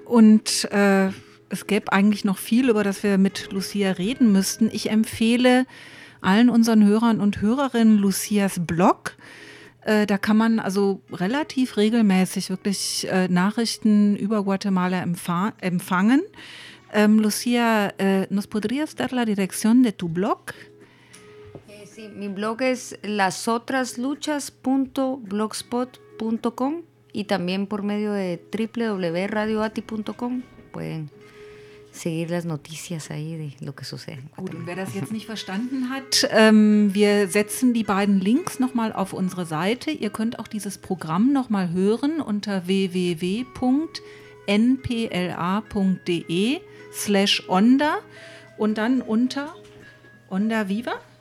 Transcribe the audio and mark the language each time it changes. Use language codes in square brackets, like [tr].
[de] Und es gäbe eigentlich noch viel, über das wir mit Lucia reden müssten. Ich empfehle allen unseren Hörern und Hörerinnen Lucias Blog. Da kann man also relativ regelmäßig wirklich Nachrichten über Guatemala empfangen. [es] Lucia, ¿nos podrías dar la dirección de tu blog? Sí, mi blog es lasotrasluchas.blogspot.com y también por medio de www.radioati.com pueden seguir las noticias ahí de lo que sucede. [de] Gut, und wer das jetzt nicht verstanden hat, wir setzen die beiden Links nochmal auf unsere Seite. Ihr könnt auch dieses Programm nochmal hören unter www.npla.de/onda und dann unter Onda Viva?